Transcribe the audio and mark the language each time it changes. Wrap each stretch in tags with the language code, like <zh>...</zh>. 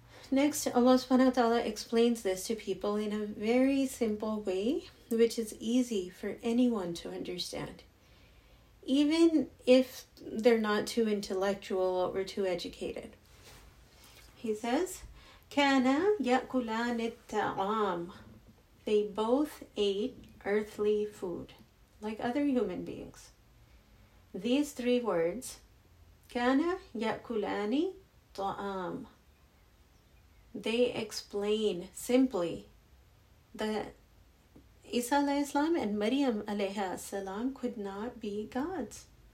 <en>Next, Allah subhanahu wa ta'ala explains this to people in a very simple way, which is easy for anyone to understand. Even if they're not too intellectual or too educated. He says,</en> <ar>كَانَ يَأْكُلَانِ الطَّعَامِ.</ar> <en>They both ate earthly food, like other human beings. These three words,</en> <ar>كَانَ يَأْكُلَانِ الطَّعَامِ.</ar> <en>They explain simply that Isa alayhi salam and Maryam alayhi salam could not be gods.</en>